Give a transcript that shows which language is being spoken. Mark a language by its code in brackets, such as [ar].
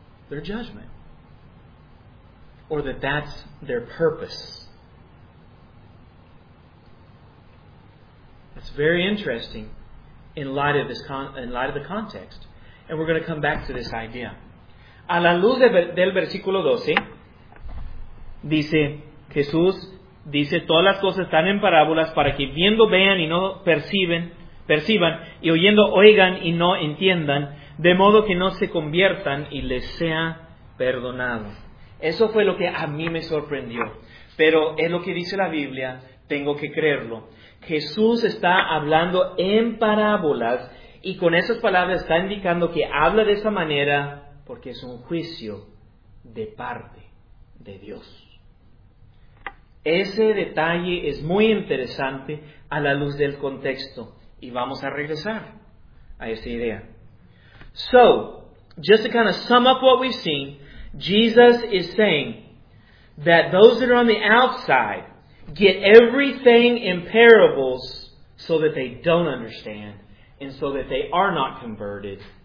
[en] They're judgment. Or that that's their purpose. It's very interesting in light of this in light of the context. And we're going to come back to this idea. [es] A la luz del versículo 12, dice Jesús, dice, todas las cosas están en parábolas para que viendo vean y no perciban, y oyendo oigan y no entiendan, de modo que no se conviertan y les sea perdonado. Eso fue lo que a mí me sorprendió. Pero es lo que dice la Biblia, tengo que creerlo. Jesús está hablando en parábolas y con esas palabras está indicando que habla de esa manera porque es un juicio de parte de Dios. Ese detalle es muy interesante a la luz del contexto. Y vamos a regresar a esa idea. [en] So, just to kind of sum up what we've seen, Jesus is saying that those that are on the outside get everything in parables so that they don't understand and so that they are not converted.